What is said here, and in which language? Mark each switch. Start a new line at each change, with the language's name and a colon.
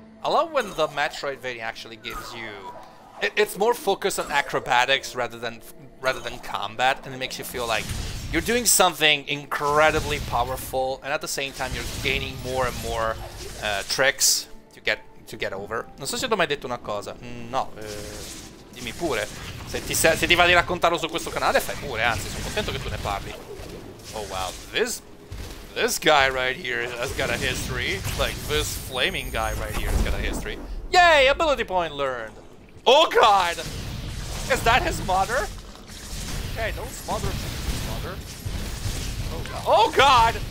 English: I love when the Metroidvania actually gives you it's more focused on acrobatics rather than combat, and it makes you feel like you're doing something incredibly powerful, and at the same time you're gaining more and more tricks to get over.
Italian: Non so se ti ho mai detto una cosa. No, dimmi pure. Se ti va di raccontarlo su questo canale, fai pure, anzi sono contento che tu ne parli.
English: Oh wow, this guy right here has got a history. Like, this flaming guy right here has got a history. Yay! Ability point learned! Oh god! Is that his mother? Okay, don't smother his mother. Oh god!